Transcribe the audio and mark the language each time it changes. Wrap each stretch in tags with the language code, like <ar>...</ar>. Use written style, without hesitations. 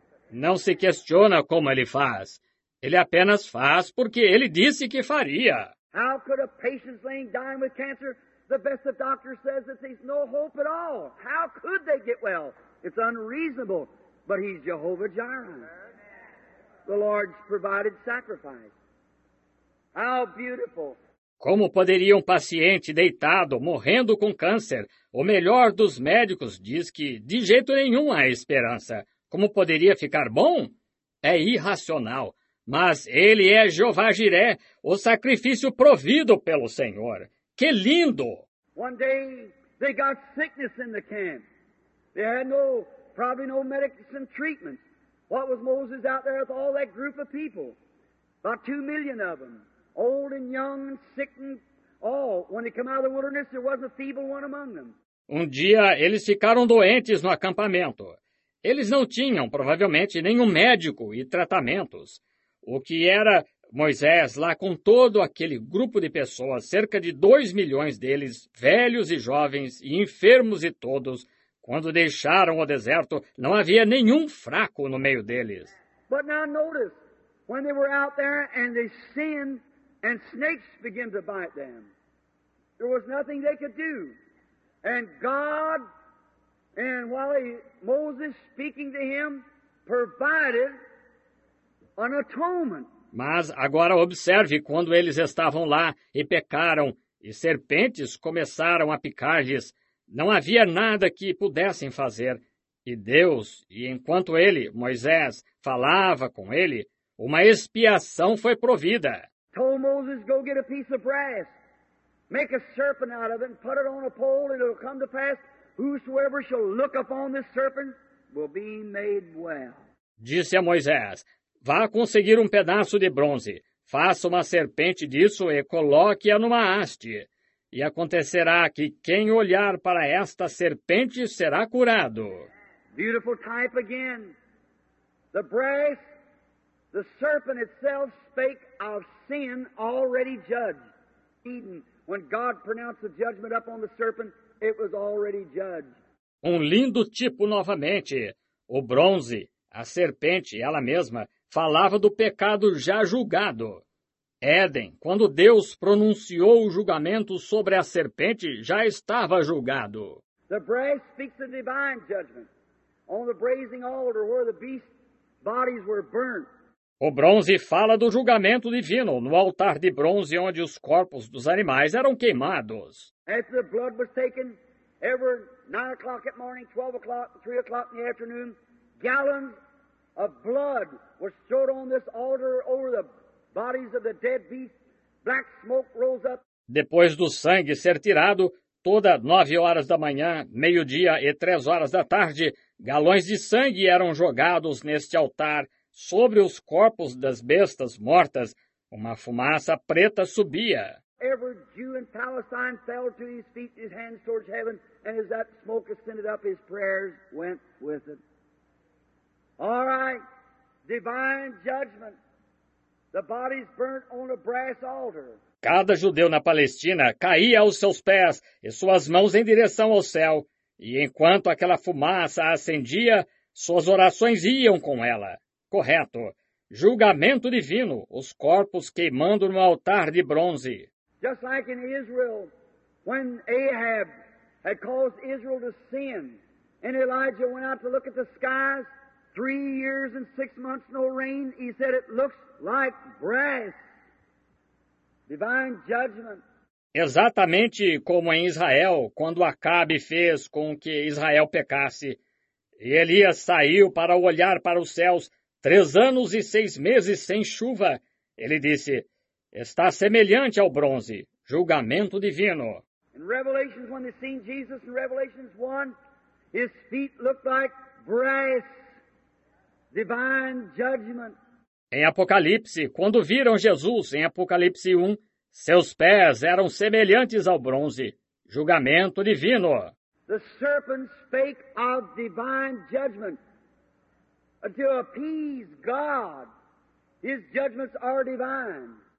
<pt>Não se questiona como ele faz. Ele apenas faz porque ele disse que faria.</pt> <en>How could a patient laying dying with cancer? The best of doctors says that there's no hope at all. How could they get well? It's unreasonable, but he's Jehovah Jireh. The Lord's provided sacrifice. How beautiful.</en> <pt>Como poderia um paciente deitado, morrendo com câncer, o melhor dos médicos diz que de jeito nenhum há esperança. Como poderia ficar bom? É irracional. Mas ele é Jeová Jiré, o sacrifício provido pelo Senhor. Que lindo!</pt> <en>One day they got sickness in the camp. They had probably no medicine treatment. What was Moses out there with all that group of people? About 2 million of them, old and young and sick and all. When they came out of the wilderness, there wasn't a feeble one among them.</en> <pt>Um dia eles ficaram doentes no acampamento. Eles não tinham provavelmente nenhum médico e tratamentos. O que era Moisés lá com todo aquele grupo de pessoas, cerca de 2 milhões deles, velhos e jovens e enfermos e todos, quando deixaram o deserto, não havia nenhum fraco no meio deles.</pt> <en>But now notice, when they were out there and they sinned and snakes began to bite them, there was nothing they could do. And God, and while Moses speaking to him, provided an atonement.</en> <pt>Mas agora observe quando eles estavam lá e pecaram, e serpentes começaram a picar-lhes. Não havia nada que pudessem fazer. E Deus, e enquanto ele, Moisés, falava com ele, uma expiação foi provida.</pt> <en>told Moses, go get a piece of brass, make a serpent out of it, and put it on a pole, and it'll come to pass, whosoever shall look upon this serpent will be made well.</en> <pt>Disse a Moisés, vá conseguir um pedaço de bronze, faça uma serpente disso e coloque-a numa haste. E acontecerá que quem olhar para esta serpente será curado.</pt> <en>Beautiful type again. The brass, the serpent itself spake of sin already judged. Eden, when God pronounced the judgment up on the serpent, it was already judged.</en> <pt>Um lindo tipo novamente. O bronze, a serpente, ela mesma, falava do pecado já julgado. Éden, quando Deus pronunciou o julgamento sobre a serpente, já estava julgado.</pt> <en>The brass speaks of divine judgment. On the brazen altar where the beast's bodies were burnt.</en> <pt>O bronze fala do julgamento divino no altar de bronze onde os corpos dos animais eram queimados.</pt> <en>After the blood was taken, every 9 o'clock at morning, 12 o'clock, 3 o'clock in the afternoon, gallons of blood were stored on this altar over the bodies of the dead beasts. Black smoke rose up.</en> <pt>Depois do sangue ser tirado, toda 9 horas da manhã, meio-dia e 3 horas da tarde, galões de sangue eram jogados neste altar sobre os corpos das bestas mortas. Uma fumaça preta subia. Every Jew in Palestine fell to his feet, his hands towards heaven, and as that smoke ascended up, his prayers went with it. All right, divine judgment. The bodies burnt on a brass altar. Cada judeu na Palestina caía aos seus pés e suas mãos em direção ao céu. E enquanto aquela fumaça acendia, suas orações iam com ela. Correto. Julgamento divino, os corpos queimando no altar de bronze.</pt> <en>Just like in Israel, when Ahab had caused Israel to sin, and Elijah went out to look at the skies, 3 years and 6 months no rain, he said it looks like brass. Divine judgment.</en> <pt>Exatamente como em Israel, quando Acabe fez com que Israel pecasse. E Elias saiu para olhar para os céus 3 anos e 6 meses sem chuva. Ele disse, está semelhante ao bronze, julgamento divino.</pt> <en>In Revelations, when they seen Jesus in Revelations 1, his feet looked like brass, divine judgment.</en> <pt>Em Apocalipse, quando viram Jesus em Apocalipse 1, seus pés eram semelhantes ao bronze, julgamento divino.</pt> <en>The serpent spake of divine judgment. To appease God, his judgments are divine.</en>